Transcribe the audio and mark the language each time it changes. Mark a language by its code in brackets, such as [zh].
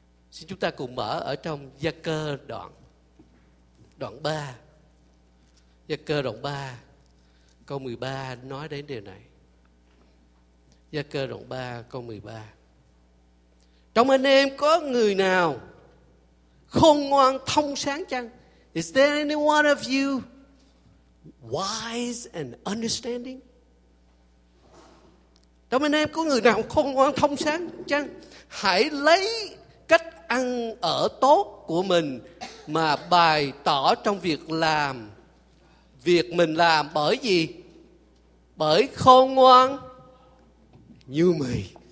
[vi] Xin chúng ta cùng mở ở trong Gia-cơ đoạn 3. Gia-cơ đoạn 3, câu 13 nói đến điều này. Gia-cơ đoạn 3, câu 13. Trong anh em có người nào khôn ngoan thông sáng chăng? [en] Is there any one of you wise and understanding? [vi] Trong anh em có người nào khôn ngoan thông sáng chăng? Hãy lấy cách ăn ở tốt của mình mà bày tỏ trong việc làm việc mình làm bởi gì? Bởi khôn ngoan như mì.